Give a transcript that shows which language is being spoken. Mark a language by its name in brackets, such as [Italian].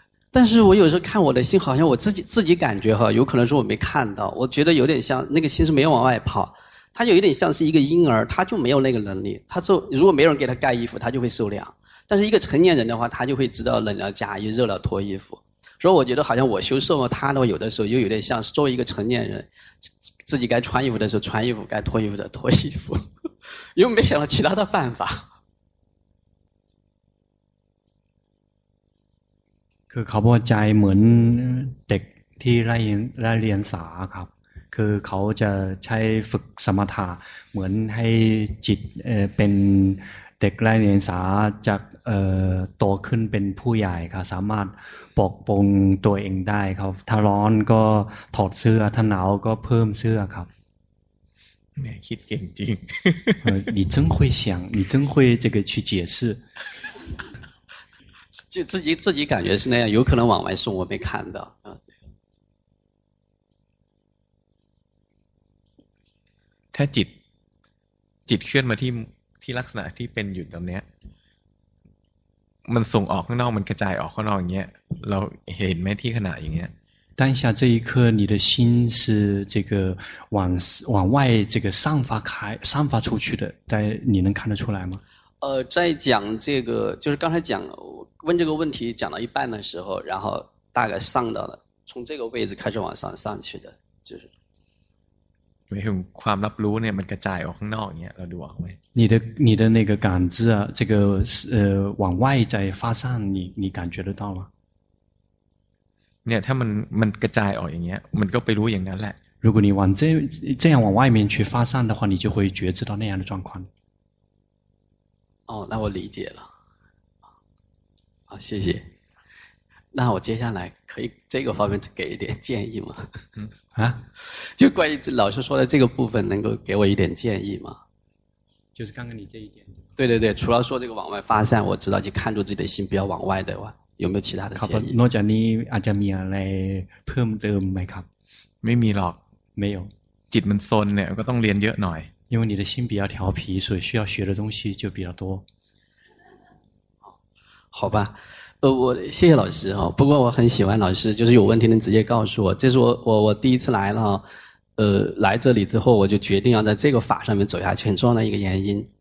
[Chinese] 但是我有时候看我的心好像我自己感觉哈有可能是我没看到我觉得有点像那个心是没有往外跑它就有点像是一个婴儿它就没有那个能力它就如果没人给它盖衣服它就会受凉但是一个成年人的话它就会知道冷了加衣热了脱衣服所以我觉得好像我修摄摩他的话有的时候又有点像是作为一个成年人自己该穿衣服的时候穿衣服该脱衣服的脱衣服又没想到其他的办法 [Thai] คือเขาบอกใจเหมือนเด็กที่ไล่เรียนสาครับ คือเขาจะใช้ฝึกสมถะเหมือนให้จิตเป็นเด็กแรกเรียนสาจากโตขึ้นเป็นผู้ใหญ่ครับสามารถปกป้องตัวเองได้ครับถ้าร้อนก็ถอดเสื้อถ้าหนาวก็เพิ่มเสื้อครับ แม่คิดเก่งจริง [Chinese] 你真会想你真会这个去解释就自己感觉是那样有可能往外送我没看到 [Thai] ถ้าจิตเคลื่อนมาที่ลักษณะที่เป็นอยู่ตรงนี้มันส่งออกข้างนอกมันกระจายออกข้างนอกอย่างเงี้ยเราเห็นไหมที่ขณะอย่างเงี้ย [Chinese] 当下这一刻你的心是这个往外这个散发出去的但你能看得出来吗在讲这个就是刚才讲问这个问题讲到一半的时候然后大概上到了从这个位置开始往上上去的就是没有 [Thai] ความรับรู้เนี่ยมันกระจายออกข้างนอกเนี่ยเราดูออกไหม [Chinese] 你的那个感知啊这个往外在发散你感觉得到吗 [Thai] เนี่ยถ้ามันกระจายออกอย่างเงี้ยมันก็ไปรู้อย่างนั้นแหละ [Chinese] 如果你往这样往外面去发散的话你就会觉知到那样的状况哦那我理解了好谢谢那我接下来可以这个方面给一点建议吗啊就关于老师说的这个部分能够给我一点建议吗就是刚刚你这一点对对对除了说这个往外发散我知道就看住自己的心不要往外的话有没有其他的建议 [Thai] นอกจากนี้อาจจะมีอะไรเพิ่มเติมไหมครับ ไม่มีหรอก [Chinese] 没有 [Thai] จิตมันซนเนี่ยก็ต้องเรียนเยอะหน่อย [Chinese] 因为你的心比较调皮所以需要学的东西就比较多好吧我谢谢老师哈、哦，不过我很喜欢老师，就是有问题能直接告诉我。这是我第一次来了，来这里之后我就决定要在这个法上面走下去，很重要的一个原因。